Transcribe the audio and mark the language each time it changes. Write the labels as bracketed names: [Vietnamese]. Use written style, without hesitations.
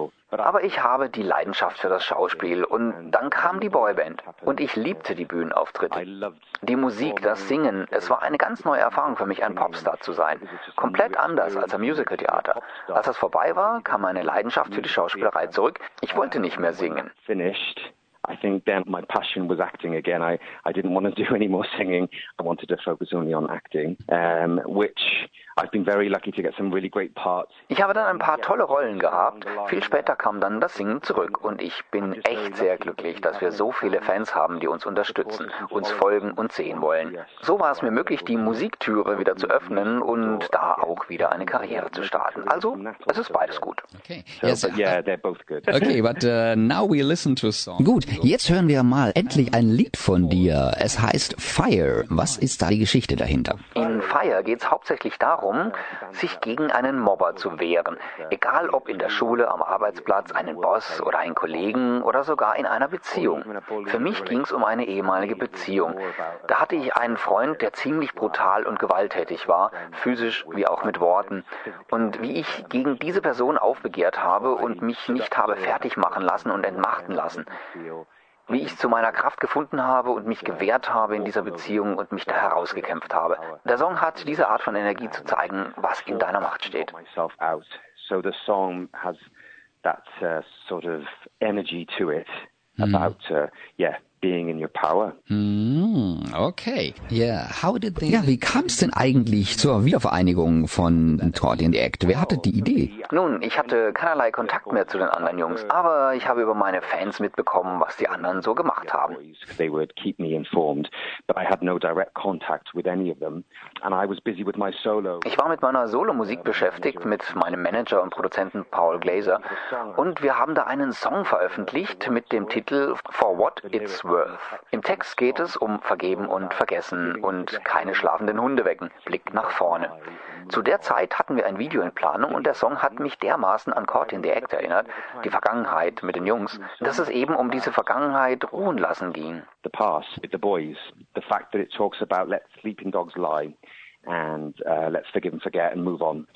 [German] Aber ich habe die Leidenschaft für das Schauspiel und dann kam die Boyband und ich liebte die Bühnenauftritte. Die Musik, das Singen, es war eine ganz neue Erfahrung für mich, ein Popstar zu sein. Komplett anders als am Musicaltheater. Als das vorbei war, kam meine Leidenschaft für die Schauspielerei zurück. Ich wollte nicht mehr singen. [English] I think then my passion was acting again. I didn't want to do any more singing. I wanted to focus only on acting, which I've been very lucky to get some really great parts. [German] Ich habe dann ein paar tolle Rollen gehabt. Viel später kam dann das Singen zurück und ich bin echt sehr glücklich, dass wir so viele Fans haben, die uns unterstützen, uns folgen und sehen wollen. So war es mir möglich, die Musiktüre wieder zu öffnen und da auch wieder eine Karriere zu starten. Also, es ist beides gut. Okay. [English] So, yes, but yeah, they're both good. Okay, but now we listen to a song. [German] Gut. Jetzt hören wir mal endlich ein Lied von dir. Es heißt Fire. Was ist da die Geschichte dahinter? In Fire geht es hauptsächlich darum, sich gegen einen Mobber zu wehren. Egal ob in der Schule, am Arbeitsplatz, einen Boss oder einen Kollegen oder sogar in einer Beziehung. Für mich ging es um eine ehemalige Beziehung. Da hatte ich einen Freund, der ziemlich brutal und gewalttätig war, physisch wie auch mit Worten. Und wie ich gegen diese Person aufbegehrt habe und mich nicht habe fertig machen lassen und entmachten lassen. Wie ich zu meiner Kraft gefunden habe und mich gewehrt habe in dieser Beziehung und mich da herausgekämpft habe. Der Song hat diese Art von Energie zu zeigen, was in deiner Macht steht. [English] So the song has that sort of energy to it about, yeah, being in your power. Okay. Yeah. How did they? [German] Ja, wie kam es denn eigentlich zur Wiedervereinigung von Tord in the Act? Wer hatte die Idee? Nun, ich hatte keinerlei Kontakt mehr zu den anderen Jungs, aber ich habe über meine Fans mitbekommen, was die anderen so gemacht haben. [English] They would keep me informed, but I had no direct contact with any of them, and I was busy with my solo. [German] Ich war mit meiner Solo-Musik beschäftigt, mit meinem Manager und Produzenten Paul Glaser, und wir haben da einen Song veröffentlicht mit dem Titel For What It's Worth. Im Text geht es um Vergeben und Vergessen und keine schlafenden Hunde wecken, Blick nach vorne. Zu der Zeit hatten wir ein Video in Planung und der Song hat mich dermaßen an Kurt in the Act erinnert, die Vergangenheit mit den Jungs, dass es eben um diese Vergangenheit ruhen lassen ging. [English] The past with the boys, the fact that it talks about let sleeping dogs lie and let's forgive and forget and move on.